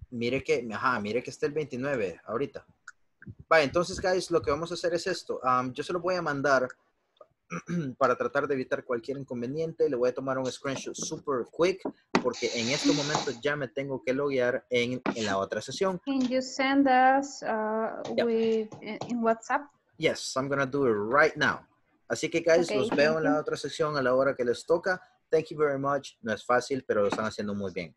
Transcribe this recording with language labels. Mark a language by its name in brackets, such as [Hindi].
[Spanish] Mire que está el 29 ahorita. Vale, entonces, guys, lo que vamos a hacer es esto. Yo se lo voy a mandar para tratar de evitar cualquier inconveniente. Le voy a tomar un screenshot [English] super quick [Spanish] porque en este momento ya me tengo que loguear en la otra sesión. [English] Can you send us in WhatsApp? Yes, I'm going to do it right now. [Spanish] Así que, guys, los veo en la otra sesión a la hora que les toca. [English] Thank you very much. [Spanish] No es fácil, pero lo están haciendo muy bien.